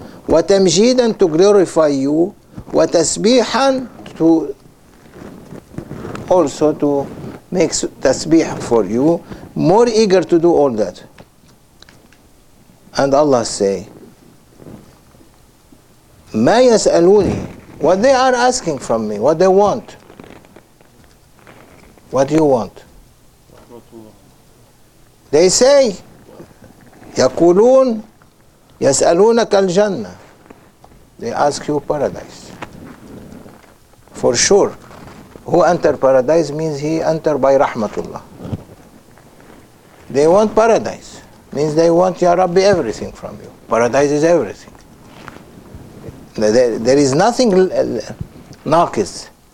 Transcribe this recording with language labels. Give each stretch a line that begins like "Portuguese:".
Arabic: Wa tamjidan,
English: to glorify you.
Arabic: Wa tasbihan,
English: to also to make tasbih for you. More eager to do all that. And Allah say,
Arabic: ما يسألوني,
English: what they are asking from me, what they want. What do you want? They say,
Arabic: يقولون يسألونك الجنة.
English: They ask you paradise. For sure, who enter paradise means he enter by rahmatullah. They want paradise. Means they want, Ya Rabbi, everything from you. Paradise is everything. There is nothing naqis.